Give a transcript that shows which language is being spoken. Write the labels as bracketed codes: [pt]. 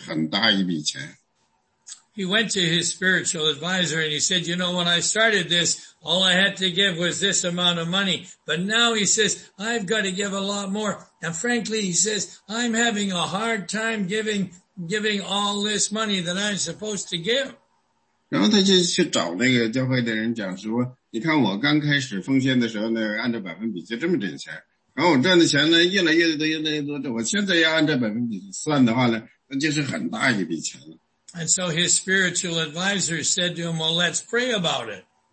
[en] He went to his spiritual advisor and he said, you know, when I started this, all I had to give was this amount of money. But now he says, I've got to give a lot more. And frankly, he says, I'm having a hard time giving all this money that I'm supposed to give. [zh] 然后他就去找那个教会的人讲说，你看我刚开始奉献的时候呢，按照百分比就这么点钱，然后我赚的钱呢越来越多，我现在要按照百分比算的话呢，那就是很大一笔钱了。 [en] And so his spiritual advisor said to him, well, let's pray about it.